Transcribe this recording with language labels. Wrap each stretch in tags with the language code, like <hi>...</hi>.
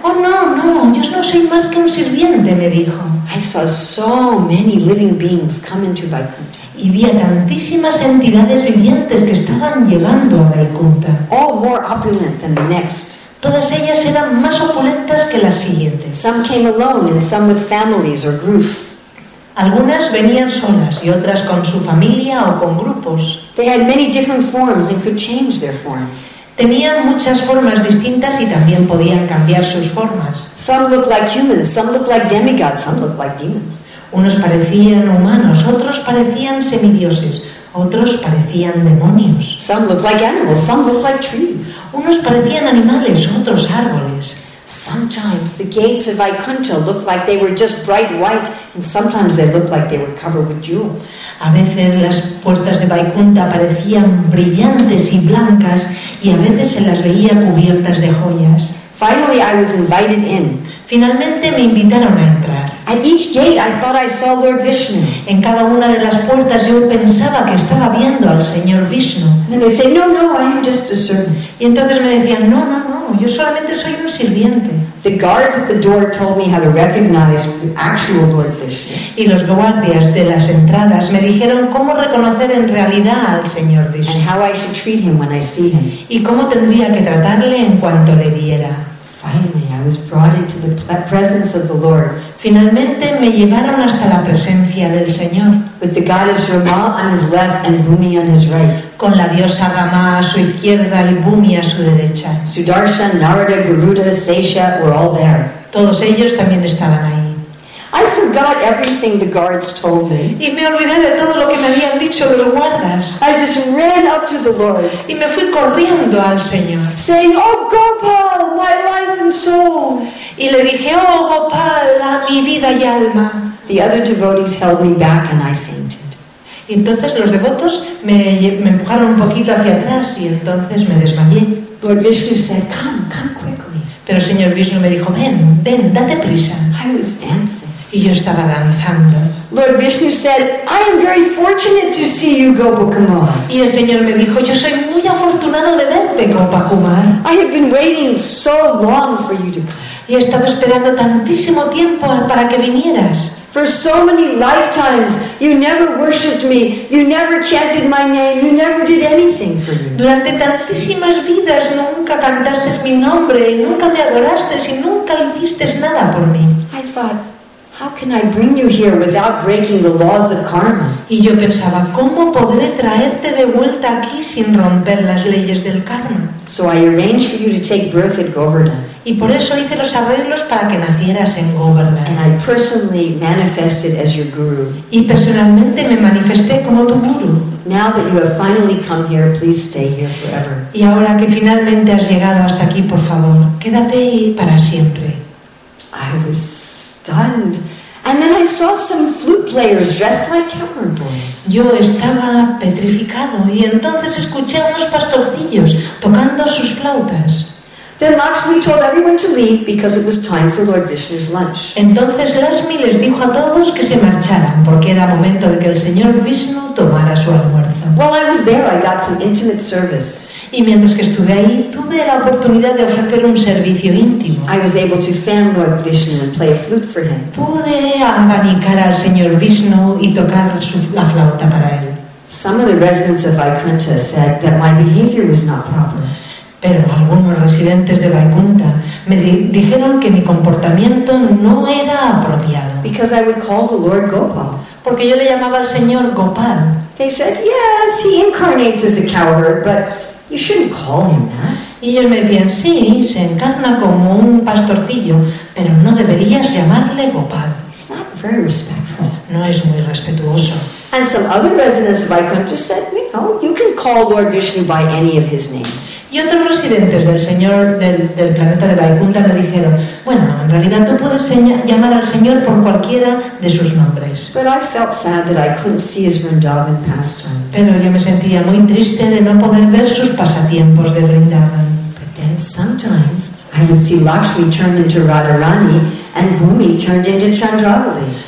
<es>Oh, no, no, yo no soy más que un sirviente, me dijo.</es> <en>I saw so many living beings come into Vaikuntha.</en> <es>Y vi a tantísimas entidades vivientes que estaban llegando a Vaikuntha.</es> <en>All more opulent than the next.</en> <es>Todas ellas eran más opulentas que las siguientes.</es> <en>Some came alone and some with families or groups.</en> <es>Algunas venían solas y otras con su familia o con grupos.</es> <en>They had many different forms and could change their forms.</en> <es>Tenían muchas formas distintas y también podían cambiar sus formas.</es> <en>Some looked like humans, some looked like demigods, some looked like demons.</en> <es>Unos parecían humanos, otros parecían semidioses, otros parecían demonios.</es> <en>Some looked like animals, some looked like trees.</en> <es>Unos parecían animales, otros árboles.</es> <en>Sometimes the gates of Vaikuntha looked like they were just bright white, and sometimes they looked like they were covered with jewels.</en> <es>A veces las puertas de Vaikuntha parecían brillantes y blancas, y a veces se las veía cubiertas de joyas.</es> <en>Finally, I was invited in.</en> <es>Finalmente me invitaron a entrar.</es> <en>At each gate, I thought I saw Lord Vishnu.</en> <es>En cada una de las puertas yo pensaba que estaba viendo al Señor Vishnu.</es> <en>And they say, no, no, I am just a servant.</en> <es>Y entonces me decían, no, no, no, yo solamente soy un sirviente.</es> <en>The guards at the door told me how to recognize the actual Lord Vishnu.</en> <es>Y los guardias de las entradas me dijeron cómo reconocer en realidad al Señor Vishnu.</es> <en>And how I should treat him when I see him.</en> <es>Y cómo tendría que tratarle en cuanto le viera.</es> <en>Finally, I was brought into the presence of the Lord.</en> <es>Finalmente me llevaron hasta la presencia del Señor.</es> <en>With the goddess Rama on his left and Bhumi on his right.</en> <es>Con la diosa Rama a su izquierda y Bhumi a su derecha.</es> <en>Sudarshan, Narada, Garuda, Sesha were all there.</en> <es>Todos ellos también estaban ahí.</es> <en>I forgot everything the guards told me.</en> <es>Y me olvidé de todo lo que me habían dicho los guardas.</es> <en>I just ran up to the Lord.</en> <es>Y me fui corriendo al Señor.</es> <en>Saying, oh Gopal, my life and soul.</en> <es>Y le dije, oh Gopal, a mi vida y alma.</es> <en>The other devotees held me back and I fainted.</en> <es>Y entonces los devotos me empujaron un poquito hacia atrás y entonces me desmayé.</es> <en>Lord Vishnu said, come, come quickly.</en> <es>Pero el Señor Vishnu me dijo, ven, ven, date prisa.</es> <en>I was dancing.</en> <es>Y yo estaba danzando.</es> <en>Lord Vishnu said, I am very fortunate to see you, Gopakumar.</en> <es>Y el Señor me dijo, yo soy muy afortunado de verte, Gopakumar.</es> <en>I have been waiting so long for you to come.</en> <es>Y he estado esperando tantísimo tiempo para que vinieras.</es> <en>For so many lifetimes, you never worshipped me, you never chanted my name, you never did anything for me.</en> <es>Durante tantísimas vidas nunca cantaste mi nombre, y nunca me adoraste y nunca hiciste nada por mí.</es> <en>I thought, how can I bring you here without breaking the laws of karma?</en> <es>Y yo pensaba, ¿cómo podré traerte de vuelta aquí sin romper las leyes del karma?</es> <en>So I arranged for you to take birth at Govardhan.</en> <es>Y por eso hice los arreglos para que nacieras en Govardhan.</es> <en>And I personally manifested as your guru.</en> <es>Y personalmente me manifesté como tu guru.</es> <en>Now that you have finally come here, please stay here forever.</en> <es>Y ahora que finalmente has llegado hasta aquí, por favor, quédate ahí para siempre.</es> <en>I was stunned. And then I saw some flute players dressed like cowherd boys.</en> <es>Yo estaba petrificado y entonces escuché a unos pastorcillos tocando sus flautas.</es> <en>Then Lakshmi told everyone to leave because it was time for Lord Vishnu's lunch.</en> <es>Entonces Lakshmi les dijo a todos que se marcharan porque era momento de que el señor Vishnu tomara su almuerzo.</es> <en>While I was there, I got some intimate service.</en> <es>Y mientras que estuve ahí, tuve la oportunidad de ofrecer un servicio íntimo.</es> <en>I was able to fan Lord Vishnu and play a flute for him.</en> <es>Pude abanicar al señor Vishnu y tocar la flauta para él.</es> <en>Some of the residents of Vaikuntha said that my behavior was not proper.</en> <es>Pero algunos residentes de Vaikuntha me dijeron que mi comportamiento no era apropiado.</es> <en>Because I would call the Lord Gopal.</en> <es>Porque yo le llamaba al señor Gopal.</es> <en>They said, yes, he incarnates as a cowherd, but you shouldn't call him that.</en> <es>Y ellos me decían, sí, se encarna como un pastorcillo, pero no deberías llamarle Gopal.</es> <en>It's not very respectful.</en> <es>No es muy respetuoso.</es> <en>And some other residents of Vaikuntha said, you know, you can call Lord Vishnu by any of his names.</en> <es>Y otros residentes del señor del planeta de Vaikuntha me dijeron, bueno, en realidad tú puedes llamar al señor por cualquiera de sus nombres.</es> <en>But I felt sad that I couldn't see his Vrindavan pastimes.</en> <es>Pero yo me sentía muy triste de no poder ver sus pasatiempos de Vrindavan.</es> <en>But then sometimes I would see Lakshmi turn into Radharani and Bhumi turned into Chandravali.</en>